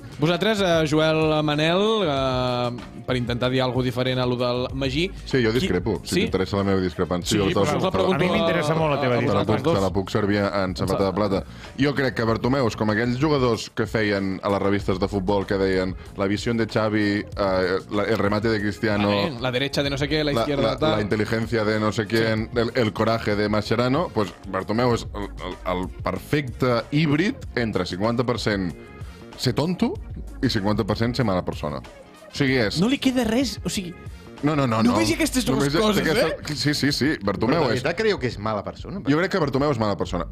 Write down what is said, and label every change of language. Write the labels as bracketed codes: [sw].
[ca] Vosaltres, Joel, Manel, per intentar dir alguna cosa diferent a lo del Magí... Sí, jo discrepo, si t'interessa la meva discrepància. Sí, però us la pregunto... A mi m'interessa molt la teva discrepància. Te la puc servir en sabata de plata. Jo crec que Bartomeu és com aquells jugadors que feien a les revistes de futbol que deien la visió de Xavi, el remate de Cristiano... [es] La derecha de no sé què, la izquierda de tal... La inteligencia de no sé quién, el coraje de Mascherano... Pues [ca] Bartomeu és el perfecte híbrid entre 50% ser tonto i 50% ser mala persona. O sigui, és... No li queda res, o sigui... No. Només hi ha aquestes dues coses, Sí. Bartomeu és... Però de creieu que és mala persona? Jo crec que Bartomeu és mala persona.